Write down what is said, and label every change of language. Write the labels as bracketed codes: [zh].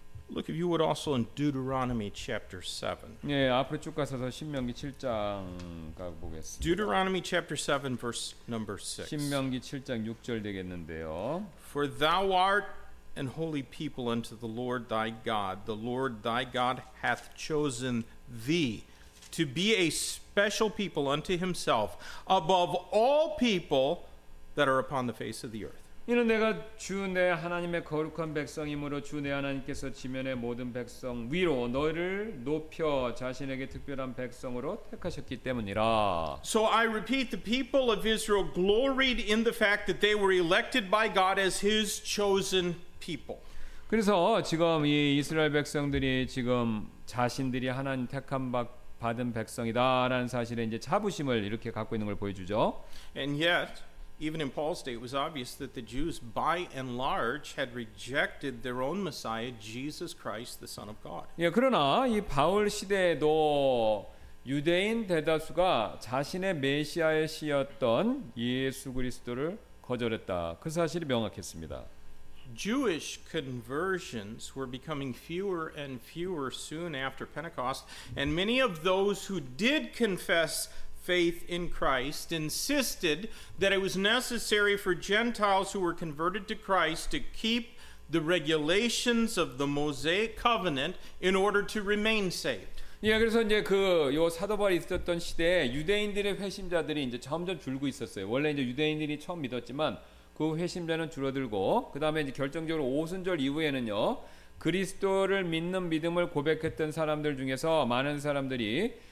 [en] Look if you would also in Deuteronomy chapter 7. [ko] 예, 앞으로 쭉 가서 신명기 7장 가 보겠습니다. [en] Deuteronomy chapter 7 verse number 6. [ko] 신명기 7장 6절 되겠는데요. [en] For thou art an holy people unto the Lord thy God. The Lord thy God hath chosen thee to be a special people unto himself above all people that are upon the face of the earth. [ko] 이는 내가 주 내 하나님의 거룩한 백성이므로 주 내 하나님께서 지면의 모든 백성 위로 너희를 높여 자신에게 특별한 백성으로 택하셨기 때문이라. [en] So I repeat, the people of Israel gloried in the fact that they were elected by God as his chosen people. [ko] 그래서 지금 이 이스라엘 백성들이 지금 자신들이 하나님 택함 받 받은 백성이다라는 사실에 이제 자부심을 이렇게 갖고 있는 걸 보여주죠. [en] And yet, even in Paul's day, it was obvious that the Jews, by and large, had rejected their own Messiah, Jesus Christ, the Son of God. [ko] 예, 그러나 이 바울 시대에도 유대인 대다수가 자신의 메시아이시였던 예수 그리스도를 거절했다. 그 사실이 명확했습니다. [en] Jewish conversions were becoming fewer and fewer soon after Pentecost, and many of those who did confess faith in Christ insisted that it was necessary for Gentiles who were converted to Christ to keep the regulations of the Mosaic covenant in order to remain saved. [ko] 예, 그래서 이제 그 요 사도바울이 있었던 시대에 유대인들의 회심자들이 이제 점점 줄고 있었어요. 원래 이제 유대인들이 처음 믿었지만 그 회심자는 줄어들고 그 다음에 이제 결정적으로 오순절 이후에는요 그리스도를 믿는 믿음을 고백했던 사람들 중에서 많은 사람들이